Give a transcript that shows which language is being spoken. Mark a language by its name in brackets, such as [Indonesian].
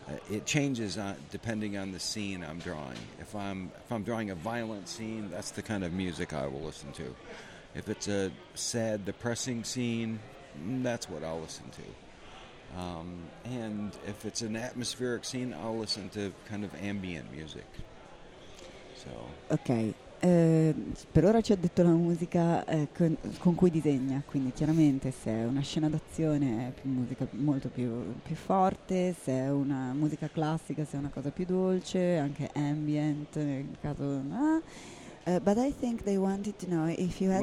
[English] It changes depending on the scene I'm drawing. If I'm drawing a violent scene, that's the kind of music I will listen to. If it's a sad, depressing scene, that's what I'll listen to. And if it's an atmospheric scene, I'll listen to kind of ambient music. So. Okay. [Italian] Per ora ci ha detto la musica con cui disegna, quindi chiaramente se è una scena d'azione è più musica molto più forte, se è una musica classica, se è una cosa più dolce, anche ambient nel caso. [English] But I think they wanted to know if you had